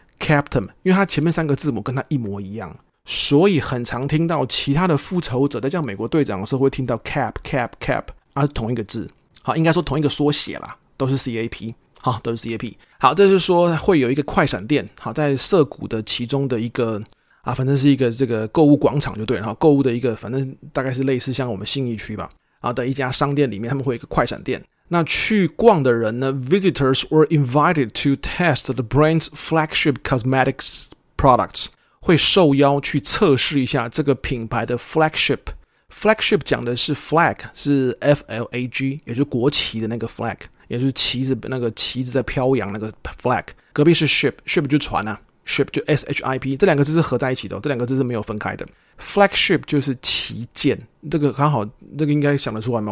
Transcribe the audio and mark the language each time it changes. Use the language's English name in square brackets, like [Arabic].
[Chinese] Captain， 因为他前面三个字母跟他一模一样，所以很常听到其他的复仇者在叫美国队长的时候会听到 CAP CAP CAP 啊，是同一个字，好，应该说同一个缩写啦，都是 CAP， 好，都是 CAP。好，这是说会有一个快闪店，好，在涩谷的其中的一个啊，反正是一个这个购物广场就对了，好，购物的一个反正大概是类似像我们信义区吧啊的一家商店里面，他们会有一个快闪店。那去逛的人呢， [English] visitors were invited to test the brand's flagship cosmetics products， [Chinese] 会受邀去测试一下这个品牌的 flagship。 Flagship 讲的是 flag， 是 F-L-A-G， 也就是国旗的那个 flag， 也就是旗子，那个旗子在飘扬那个 flag。隔壁是 ship， ship 就船啊， ship 就 S-H-I-P， 这两个字是合在一起的、哦、这两个字是没有分开的。 Flagship 就是旗舰，这个刚好，这个应该想得出来吗？